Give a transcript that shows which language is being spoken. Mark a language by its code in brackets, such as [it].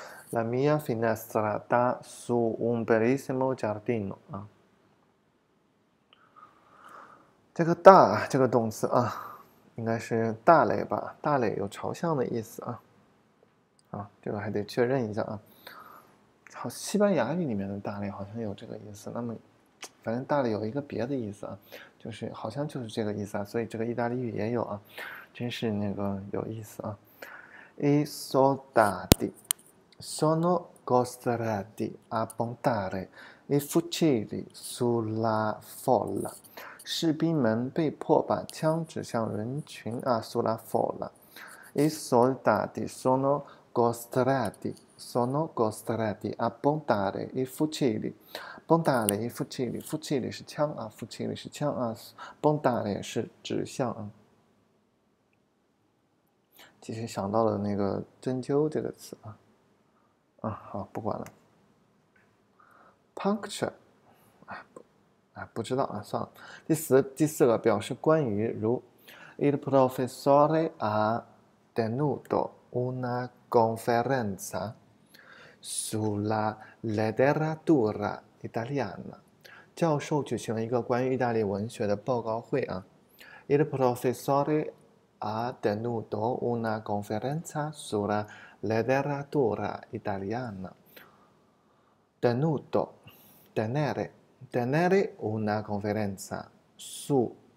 [it] La mia finestra dà su un bellissimo giardino [zh] 啊，这个大这个动词啊，应该是大类吧？大类有朝向的意思啊，这个还得确认一下啊。好，西班牙语里面的大类好像有这个意思，那么反正大类有一个别的意思啊，就是好像就是这个意思啊，所以这个意大利语也有啊，真是那个有意思啊。 [it] I soldati。 Sono costretti a puntare i fucili sulla folla. [zh] 士兵们被迫把枪指向人群啊， [it] sulla folla. I soldati sono costretti a puntare i fucili. Puntare i fucili, [zh] fucili 是枪啊，fucili 是枪啊，puntare 是指向啊。其实想到了那个针灸这个词啊。好，不管了。 Puncture，不知道啊，算了。第四个表示关于如， [it] il professore ha tenuto una conferenza sulla letteratura italiana。 [zh] 教授举行了一个关于意大利文学的报告会啊。 [it] il professore ha tenuto una conferenza sulla letteratura italiana. Tenere una conferenza su.